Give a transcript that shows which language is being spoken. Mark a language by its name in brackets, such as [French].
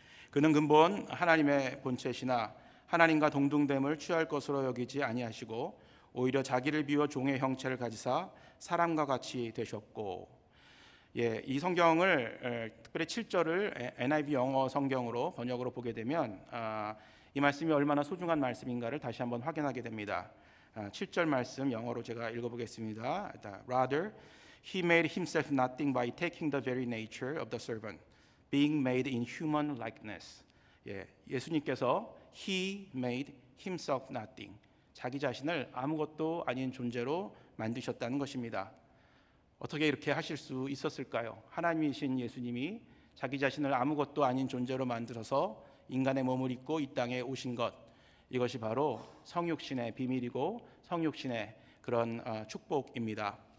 [Korean] 그는 근본 하나님의 본체시나 하나님과 동등됨을 취할 것으로 여기지 아니하시고 오히려 자기를 비워 종의 형체를 가지사 사람과 같이 되셨고. 예, 이 성경을 특별히 7절을 NIV 영어 성경으로 번역으로 보게 되면 이 말씀이 얼마나 소중한 말씀인가를 다시 한번 확인하게 됩니다. 7절 말씀 영어로 제가 읽어보겠습니다. [English] Rather, he made himself nothing by taking the very nature of the servant, being made in human likeness. [Korean] 예, 예수님께서 [English] he made himself nothing. [Korean] 자기 자신을 아무것도 아닌 존재로 만드셨다는 것입니다. 어떻게 이렇게 하실 수 있었을까요? 하나님이신 예수님이 자기 자신을 아무것도 아닌 존재로 만들어서 인간의 몸을 입고 이 땅에 오신 것, 이것이 바로 성육신의 비밀이고 성육신의 그런 축복입니다.